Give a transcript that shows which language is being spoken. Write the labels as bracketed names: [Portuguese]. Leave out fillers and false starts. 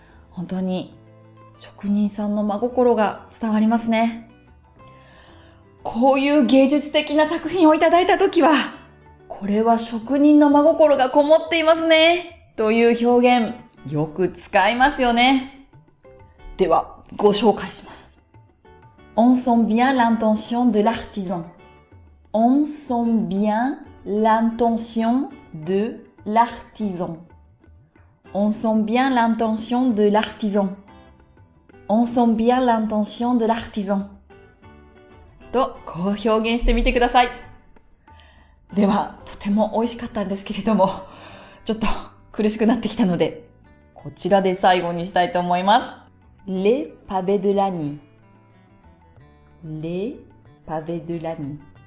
[Japanese] 本当に職人さんの真心が伝わりますね。こういう芸術的な作品をいただいたときは、これは職人の真心がこもっていますねという表現、よく使いますよね。ではご紹介します。 [French] On sent bien l'intention de l'artisan. On sent bien l'intention de l'artisan. On sent bien l'intention de l'artisan. On sent bien l'intention de l'artisan. [Japanese] とこう表現してみてください。ではとても美味しかったんですけれども、ちょっと苦しくなってきたので、こちらで最後にしたいと思います。 [French] Les pavés de la nuit. Les pavés de la nuit.